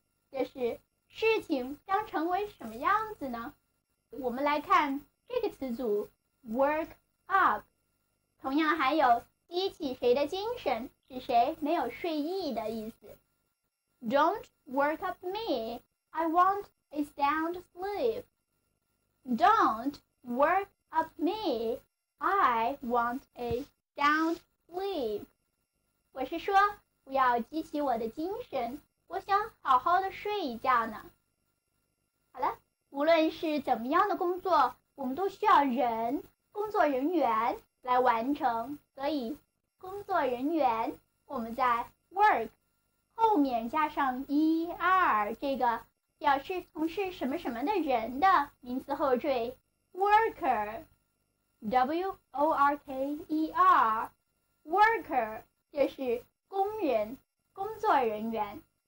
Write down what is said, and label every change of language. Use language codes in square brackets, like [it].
[zh] 这是事情将成为什么样子呢？我们来看这个词组 work up， 同样还有激起谁的精神，使谁没有睡意的意思。 [en] Don't work up me, I want a sound sleep. Don't work up me, I want a sound sleep. [zh] 我是说，不要激起我的精神，我想好好的睡一觉呢。好了，无论是怎么样的工作，我们都需要人，工作人员来完成，所以工作人员我们在 work 后面加上 er 这个表示从事什么什么的人的名词后缀 worker w-o-r-k-e-r worker 就是工人工作人员。